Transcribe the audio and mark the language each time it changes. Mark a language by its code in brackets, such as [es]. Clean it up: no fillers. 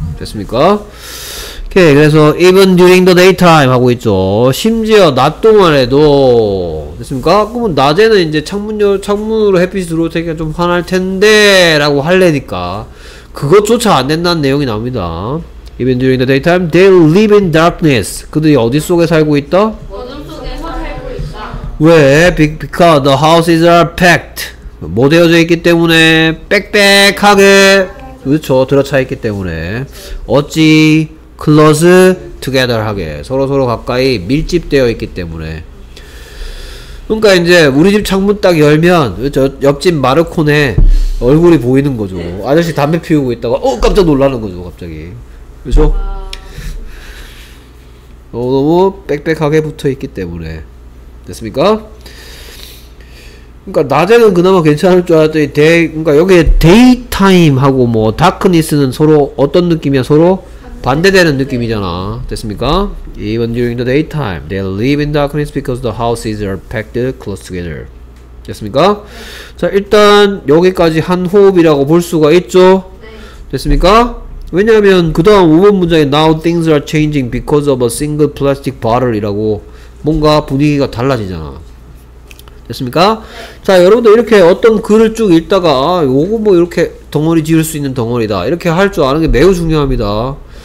[ko] 됐습니까? 오케이. 그래서 [en] even during the daytime [ko] 하고 있죠. 심지어 낮 동안에도 됐습니까? 그러면 낮에는 이제 창문으로 햇빛이 들어올 테니까 좀 화날 텐데 라고 할래니까 그것조차 안 된다는 내용이 나옵니다. [en] Even during the daytime, they live in darkness. [ko] 그들이 어디 속에 살고 있다? 어둠 속에서 살고 있다. 왜? [en] Because the houses are packed. [ko] 못 되어져 있기 때문에 빽빽하게 그렇죠. 들어차 있기 때문에 어찌 [en] close together [ko] 하게 서로서로 가까이 밀집되어 있기 때문에 그러니까 이제 우리 집 창문 딱 열면 그렇죠? 옆집 마르콘에 얼굴이 보이는 거죠. 네. 아저씨 담배 피우고 있다가 깜짝 놀라는 거죠 갑자기. 그죠? 너무 빽빽하게 붙어 있기 때문에. 됐습니까? 그니까, 낮에는 그나마 괜찮을 줄 알았더니, 그니까, 여기에 데이타임하고 뭐, 다크니스는 서로 어떤 느낌이야? 서로 반대되는 느낌이잖아. 됐습니까? [en] Even during the daytime, they live in darkness because the houses are packed close together. [ko] 됐습니까? 자, 일단, 여기까지 한 호흡이라고 볼 수가 있죠? 됐습니까? 왜냐면 그 다음 5번 문장에 [en] Now things are changing because of a single plastic bottle [ko] 이라고 뭔가 분위기가 달라지잖아. 됐습니까? 자 여러분도 이렇게 어떤 글을 쭉 읽다가 아 요거 뭐 이렇게 덩어리 지을 수 있는 덩어리다 이렇게 할 줄 아는 게 매우 중요합니다.